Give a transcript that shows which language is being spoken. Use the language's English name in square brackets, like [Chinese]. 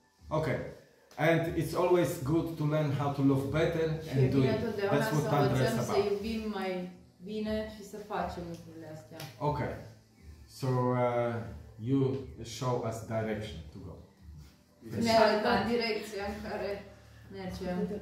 [English] Okay. And it's always good to learn how to love better and do it. That's what Tantra is about. [Romanian] Să iubim mai bine și să facem lucrurile astea. [English] Okay. So you show us direction to go. [Romanian] Ne arătăm direcția în care mergem.